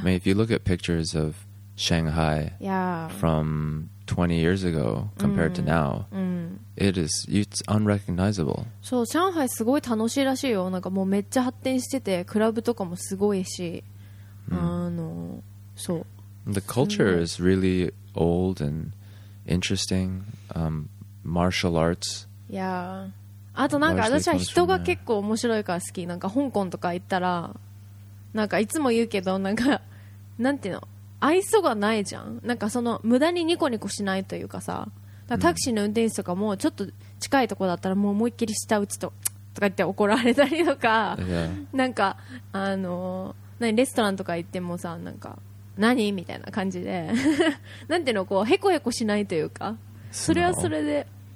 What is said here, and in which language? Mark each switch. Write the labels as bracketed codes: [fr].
[en] I mean, if you look at pictures of Shanghai、 yeah. from 20 years ago compared、うん、to now,、うん、it is, it's unrecognizable. [ja] そう、上海すごい楽しいらしいよ。なんかもうめっちゃ発展してて、クラブとかもすごいし、うん、あの、そう。 [en] The culture is really old and interesting.、martial arts. [ja] いや、あとなんか私は人が結構面白いから好き。なんか香港とか行ったらなんかいつも言うけど、なんかなんていうの、愛想がないじゃん。なんかその無駄にニコニコしないというかさ、だからタクシーの運転手とかもちょっと近いところだったらもう思いっきり舌打ちとか言って怒られたりとか、なんかあの何レストランとか行ってもさ、なんか何みたいな感じでなんていうの、こうヘコヘコしないというか、それはそれで、